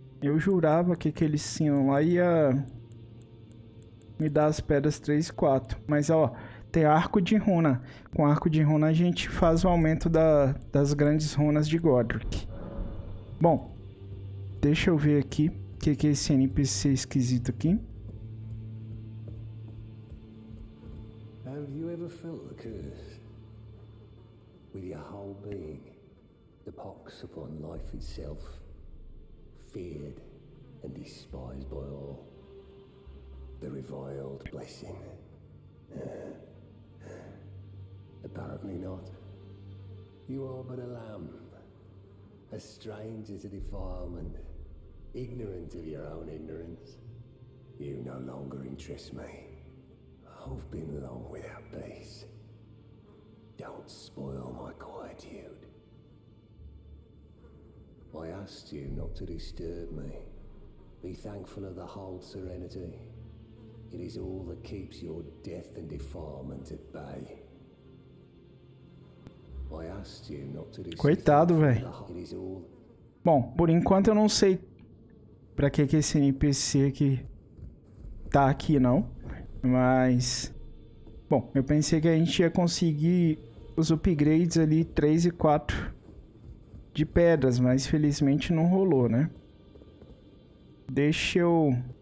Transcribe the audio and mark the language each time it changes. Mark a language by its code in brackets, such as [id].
[pt] Eu jurava que aquele sino lá ia... Me dar as pedras 3 e 4. Mas ó... Tem arco de runa. Com arco de runa a gente faz o aumento das grandes runas de Godric. Bom, deixa eu ver aqui o que, que é esse NPC esquisito aqui. [en] Have you ever felt the curse? With your whole being, the pox upon life itself, feared and despised by all. The reviled blessing. Apparently not. You are but a lamb, a stranger to defilement, ignorant of your own ignorance. You no longer interest me. I've been long without peace. Don't spoil my quietude. I asked you not to disturb me. Be thankful of the whole serenity. It is all that keeps your death and defilement at bay. I asked you not to destroy. [pt] Coitado, velho. Bom, por enquanto eu não sei pra que que esse NPC aqui tá aqui, não. Mas... bom, eu pensei que a gente ia conseguir os upgrades ali, 3 e 4 de pedras, mas felizmente não rolou, né? Deixa eu...